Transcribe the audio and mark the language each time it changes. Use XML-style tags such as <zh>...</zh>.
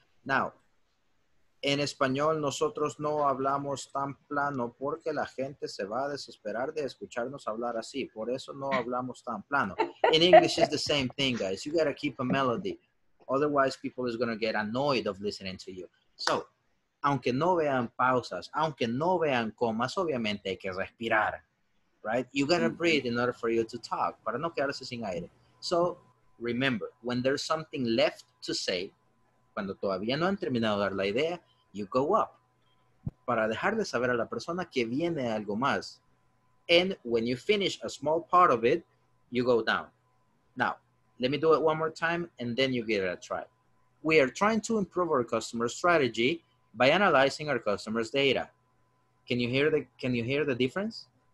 <es>Now, en español, nosotros no hablamos tan plano porque la gente se va a desesperar de escucharnos hablar así. Por eso no hablamos tan plano.</es> <en>In English, it's the same thing, guys. You got to keep a melody. Otherwise, people is going to get annoyed of listening to you.</en> <es>So, aunque no vean pausas, aunque no vean comas, obviamente hay que respirar, right?</es> <en>You got to breathe in order for you to talk,</en> <es>para no quedarse sin aire.</es> <en>So, remember, when there's something left to say,</en> <es>cuando todavía no han terminado de dar la idea,</es> <en>you go up.</en> <es>Para dejarle saber a la persona que viene algo más.</es> <en>And when you finish a small part of it, you go down. Now, let me do it one more time and then you give it a try. We are trying to improve our customer strategy by analyzing our customers' data. Can you hear the difference?</en>